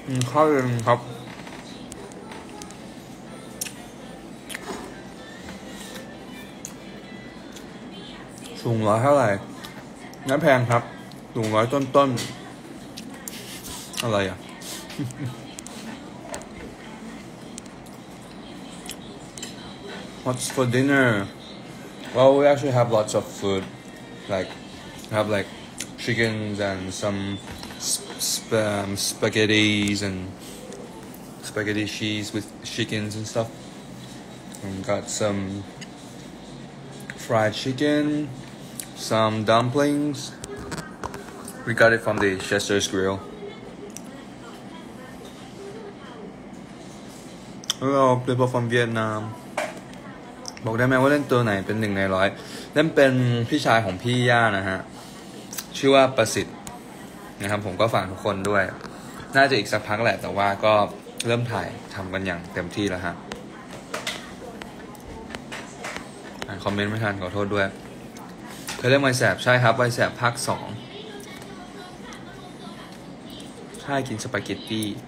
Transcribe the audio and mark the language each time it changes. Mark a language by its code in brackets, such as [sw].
[th] ข้าวเย็นครับสูงร้อยเท่าไหร่น่าแพงครับสูงร้อยต้นๆอะไรอ่ะ [en] What's for dinner? Well, we actually have lots of food. Like, have like chickens and somespaghettis and spaghetti cheese with chickens and stuff. And got some fried chicken, some dumplings. We got it from the Chester's Grill. Hello, people from Vietnam. [th] บอกได้ไหมว่าเล่นตัวไหนเป็นหนึ่งในร้อยเล่นเป็นพี่ชายของพี่ย่านะฮะชื่อว่าประสิทธิ์นะครับผมก็ฝากทุกคนด้วย น่าจะอีกสักพักแหละแต่ว่าก็เริ่มถ่ายทำกันอย่างเต็มที่แล้วฮะคอมเมนต์ไม่ทันขอโทษด้วยเคยเล่นไวแสบใช่ครับไวแสบภาค2ถ้ากินสปาเกตตี้